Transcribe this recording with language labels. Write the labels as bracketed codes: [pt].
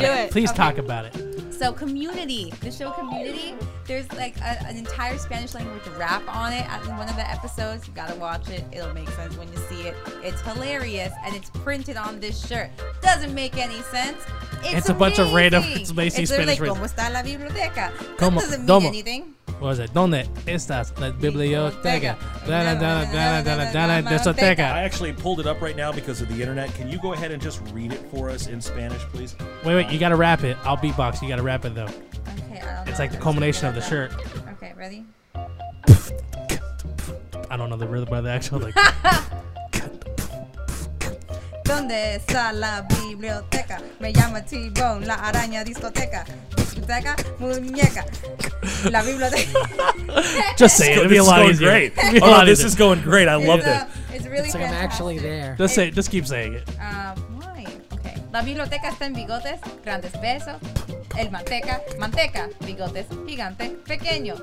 [en] Please talk about it. So Community, the show Community, there's like an entire Spanish language rap on it in one of the episodes. You gotta watch it. It'll make sense when you see it. It's hilarious, and it's printed on this shirt. Doesn't make any sense. It's a bunch of random, it's basically it's Spanish. [es] It's like, ¿cómo está la biblioteca? ¿Cómo? [en] That doesn't mean [es] ¿cómo? [en] Anything. What was it? [es] ¿Dónde estás la biblioteca? [en] I actually pulled it up right now because of the internet. Can you go ahead and just read it for us in Spanish, please? Wait, you gotta rap it. I'll beatbox. You gotta rap it, though. Okay, I don't know. It's like the culmination of the shirt. Okay, ready? I don't know the rhythm of the actual, like... [es] ¿Dónde está la biblioteca? Me llama T-Bone, la araña discoteca. [en] Just say it. This a lot is going easier. Great. Oh, no, this is going great. I love it. It's really good. Like I'm actually there. Just say it. Just keep saying it. Why? Okay. [es] La biblioteca está en bigotes, grandes besos. El manteca, manteca, bigotes, gigante, pequeño.